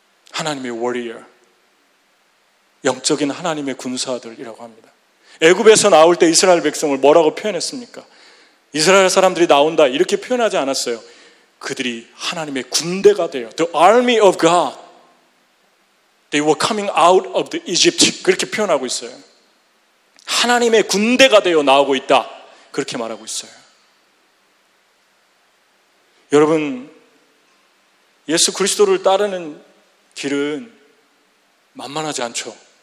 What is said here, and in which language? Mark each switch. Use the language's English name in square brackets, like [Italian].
[Korean] 하나님의 워리어, 영적인 하나님의 군사들이라고 합니다. 애굽에서 나올 때 이스라엘 백성을 뭐라고 표현했습니까? 이스라엘 사람들이 나온다 이렇게 표현하지 않았어요. 그들이 하나님의 군대가 돼요. [English] The army of God. They were coming out of the Egypt. [Korean] 그렇게 표현하고 있어요. 하나님의 군대가 되어 나오고 있다. 그렇게 말하고 있어요. 여러분, 예수 그리스도를 따르는 길은 만만하지 않죠.